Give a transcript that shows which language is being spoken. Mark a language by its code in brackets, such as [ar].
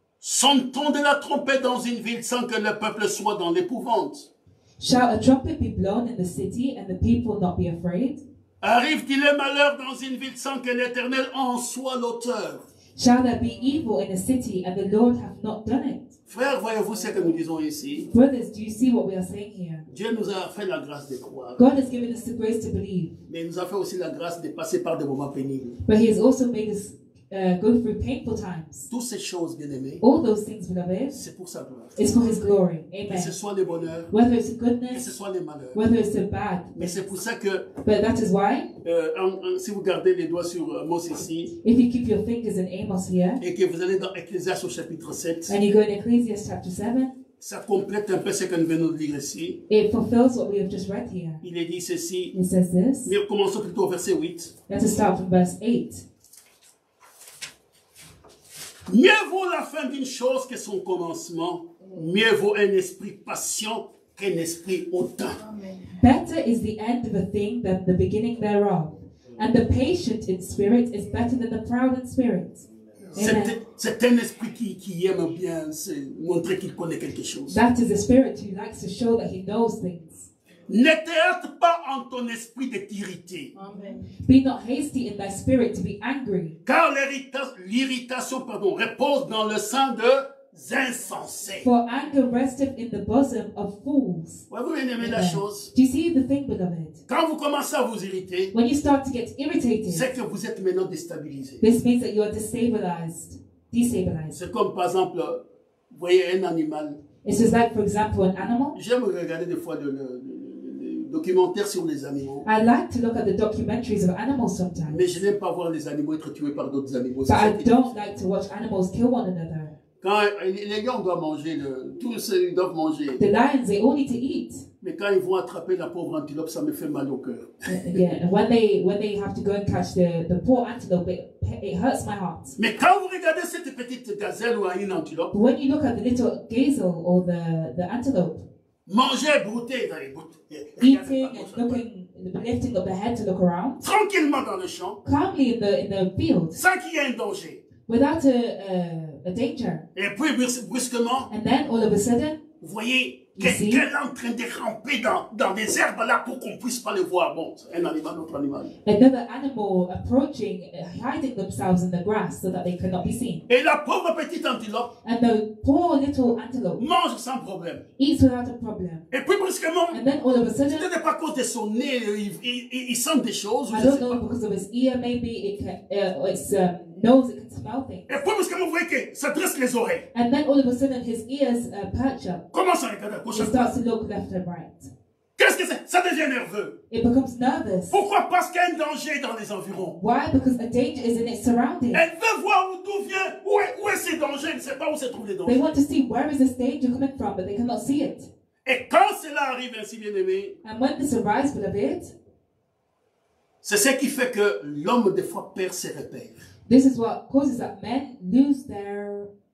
[fr] Sonne-t-on de la trompette dans une ville sans que le peuple soit dans l'épouvante? [en] Shall a trumpet be blown in the city and the people not be afraid? [fr] Arrive-t-il un malheur dans une ville sans que l'Éternel en soit l'auteur? [en] Shall there be evil in a city and the Lord have not done it? [fr] Frères, voyez-vous ce que nous disons ici? [en] Brothers, do you see what we are saying here? [fr] Dieu nous a fait la grâce de croire. [en] God has given us the grace to believe. [fr] Mais il nous a fait aussi la grâce de passer par des moments pénibles. [en] But he has also made us go through painful times. [fr] Toutes ces choses, bien-aimées, [en] all those things, beloved, [fr] c'est pour sa gloire. [en] It's for his glory. Amen. [fr] Que ce soit le bonheur, [en] whether it's a goodness, [fr] que ce soit le malheur, [en] whether it's a bad. [fr] Mais c'est pour ça que, [en] but that is why, [fr] si vous gardez les doigts sur Amos ici, [en] if you keep your fingers in Amos here, [fr] et que vous allez dans Ecclésias au chapitre 7, [en] and you go in Ecclesiastes chapter 7, [fr] ça complète un peu ce que nous venons de lire ici. [en] It fulfills what we have just read here. [fr] Il est dit ceci. [en] It says this. [fr] Mais commençons plutôt au verset 8. [en] Let us start from verse 8. [fr] Mieux vaut la fin d'une chose que son commencement. Mieux vaut un esprit patient qu'un esprit hautain. [en] Better is the end of a thing than the beginning thereof. And the patient in spirit is better than the proud in spirit. [fr] C'est un esprit qui aime bien montrer qu'il connaît quelque chose. [en] That is a spirit who likes to show that he knows things. [fr] Ne te hâte pas en ton esprit de t'irriter. [en] Be not hasty in thy spirit to be angry. [fr] Car l'irritation repose dans le sein de insensés. [en] For anger resteth in the bosom of fools. [fr] Voyez-vous bien aimé la chose? [en] Do you see the thing, beloved? [fr] Quand vous commencez à vous irriter, [en] when you start to get irritated, [fr] c'est que vous êtes maintenant déstabilisé. [en] This means that you are destabilized. Destabilized. [fr] C'est comme par exemple, voyez un animal. [en] It's just like, for example, an animal. [fr] J'aime regarder des fois le documentaire sur les animaux. [en] I like to look at the documentaries of animals sometimes. [fr] Mais je n'aime pas voir les animaux être tués par d'autres animaux. [en] But c'est I don't like to watch animals kill one another. [fr] Quand les gars doivent manger, tous ils doivent manger. [en] The lions, they all need to eat. [fr] Mais quand ils vont attraper la pauvre antilope, ça me fait mal au cœur. [en] Yeah, when they have to go and catch the poor antelope, it hurts my heart. [fr] Mais quand vous regardez cette petite gazelle ou une antilope, [en] but when you look at the little gazelle or the antelope, [fr] manger, brouter dans les bouts, [en] lifting up the head to look around, [fr] tranquillement dans le champ, [en] calmly in the field, [fr] sans qu'il y ait un danger. [en] Without a danger. [fr] Et puis brusquement. [en] And then all of a sudden. [fr] Vous voyez quelqu'un en train de ramper dans des herbes là pour qu'on puisse pas les voir. Bon, un animal, notre animal. [en] Another animal approaching, hiding themselves in the grass so that they cannot be seen. [fr] Et la pauvre petite antilope. [en] And the poor little antelope. [fr] Mange sans problème. [en] Eats without a problem. [fr] Et puis brusquement. [en] And then all of a sudden. [fr] Ce n'est pas à cause de son nez, il sent des choses. [en] I don't know, because of his ear, maybe it can smell things. [fr] Et puis, que ça dresse les oreilles. [en] And then all of a sudden his ears perch up. [fr] Comment ça regarde à gauche? [en] He starts to look left and right. [fr] Qu'est-ce que c'est? Ça devient nerveux. [en] It becomes nervous. [fr] Pourquoi? Parce qu'il y a un danger dans les environs. [en] Why? Because a danger is in its surroundings. [fr] Elle veut voir d'où vient. Où est ce danger? Elle ne sait pas où se trouve le danger. [en] They want to see where is this danger coming from, but they cannot see it. [fr] Et quand cela arrive ainsi, bien aimé. [en] And when this arrives, beloved. [fr] C'est ce qui fait que l'homme des fois perd ses repères. [en] This is what causes that men lose their